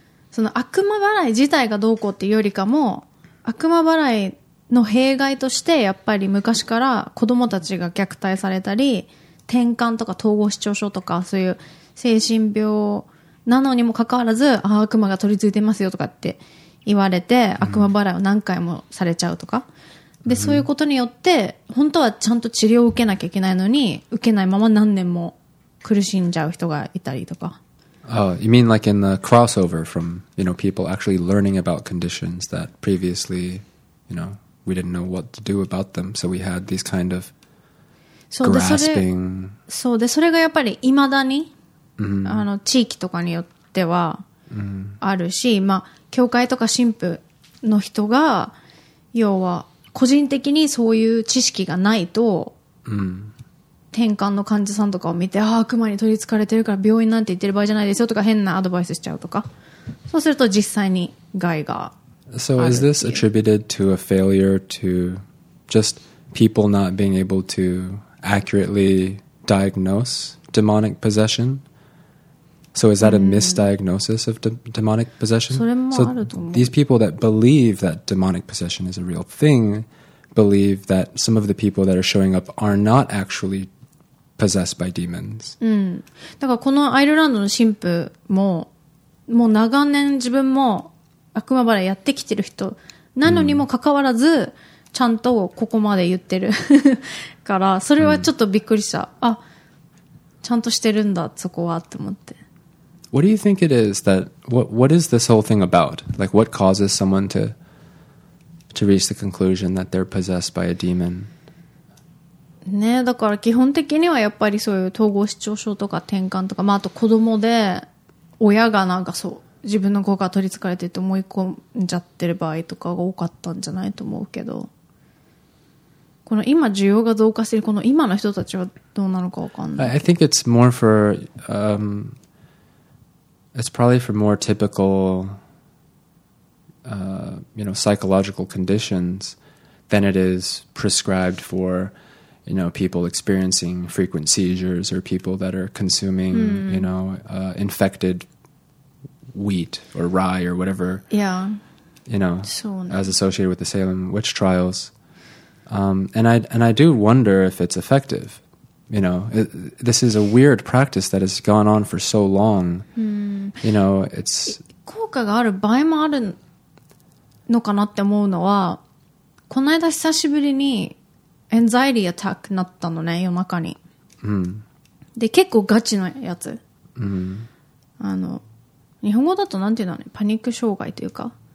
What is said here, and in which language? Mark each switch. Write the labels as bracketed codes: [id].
[ja] その悪魔払い自体がどうこうっていうよりかも、悪魔払いの弊害としてやっぱり昔から子供たちが虐待されたり、転換とか統合失調症とかそういう精神病なのにもかかわらず、あ、悪魔が取り付いてますよとかって言われて悪魔払いを何回もされちゃうとか、でそういうことによって本当はちゃんと治療を受けなきゃいけないのに受けないまま何年も苦しんじゃう人がいたりとか。 [en] Oh, you mean like in the crossover from, you know, people actually learning about conditions that previously, you know, we didn't know what to do about them. So we had these kind of grasping. [ja] そうで、それがやっぱり未だに、あの、地域とかによってはあるし、まあ、教会とか神父の人が、要は個人的にそういう知識がないと、転換の患者さんとかを見て、ああ悪魔に取り憑かれてるから病院なんて言ってる場合じゃないですよとか変なアドバイスしちゃうとか、そうすると実際に害があるっていう。 [en] So is this attributed to a failure to just people not being able to accurately diagnose demonic possession? So is that a misdiagnosis of demonic possession? [ja] それもあると思う。 [en] So these people that believe that demonic possession is a real thingBelieve that some of the people that are showing up are not actually possessed by demons. [ja] だからこのアイルランドの神父も、もう長年自分も悪魔払いやってきてる人なのにもかかわらず、ちゃんとここまで言ってるから、それはちょっとびっくりした。あ、ちゃんとしてるんだ、そこはって思って。 [en] What do you think it is that, what is this whole thing about? Like, what causes someone to... to reach the conclusion that they're possessed by a demon. [ja] ね、だから基本的にはやっぱりそういう統合失調症とか転換とか、まああと子供で親がなんかそう自分の子が取り憑かれてて思い込んじゃってる場合とかが多かったんじゃないと思うけど、この今需要が増加してるこの今の人たちはどうなのかわかんない。 [en] I think it's more for, it's probably for more typical. You know, psychological conditions than it is prescribed for, you know, people experiencing frequent seizures or people that are consuming, you know, infected wheat or rye or whatever, you know, as associated with the Salem witch trials. And I do wonder if it's effective. You know, this is a weird practice that has gone on for so long. You know, it's... [ja] 効果がある場合もあるのかなって思うのは、この間久しぶりにエンザイティアタックになったのね、夜中に。で、結構ガチのやつ。あの、日本語だとなんていうのね、パニック障害というか。